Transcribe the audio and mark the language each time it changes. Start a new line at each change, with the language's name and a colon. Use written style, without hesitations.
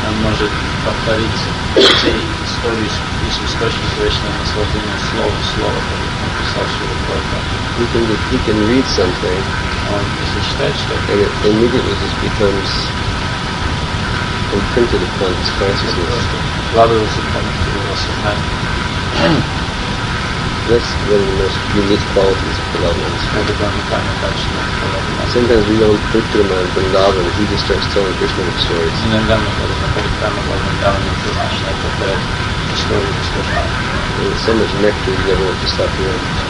Russian: And може повторить все истории из источника вечного наслаждения слово в слово, как написал Шрила
English: Прабхупада. He can read something,
Russian: если читает что-то,
English: and it immediately just becomes imprinted upon his consciousness.
Russian: Вкладывается в память его сознания.
English: That's one of the most unique qualities of Vrindavan. Sometimes we don't put to him in Vrindavan, he just starts telling Krishna the stories. There's so much nectar you never want to stop hearing.